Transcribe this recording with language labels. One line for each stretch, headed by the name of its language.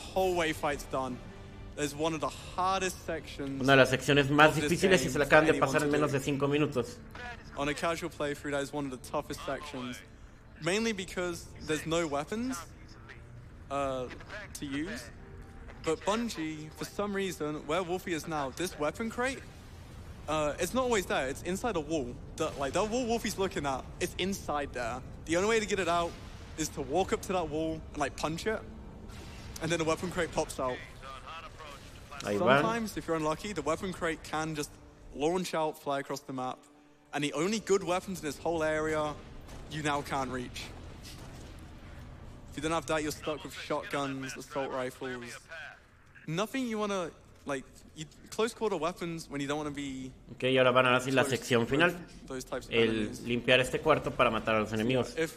Spanish: Una de las secciones más difíciles y se la acaban de pasar en menos de 5 minutos.
English: On a casual playthrough, that is one of the toughest sections. Mainly because there's no weapons to use. But Bungie, for some reason, where Wolfie is now, this weapon crate. It's not always there. It's inside a wall. That wall Wolfie's looking at, it's inside there. The only way to get it out is to walk up to that wall and, like, punch it. And then the weapon crate pops out. Sometimes, if you're unlucky, the weapon crate can just launch out, fly across the map. And the only good weapons in this whole area, you now can't reach. If you don't have that, you're stuck with shotguns, assault rifles. Nothing you want to, like... Close quarter weapons when you don't want to be.
Spanish: Okay, y ahora van a hacer la sección final. El limpiar este cuarto para matar a los enemigos.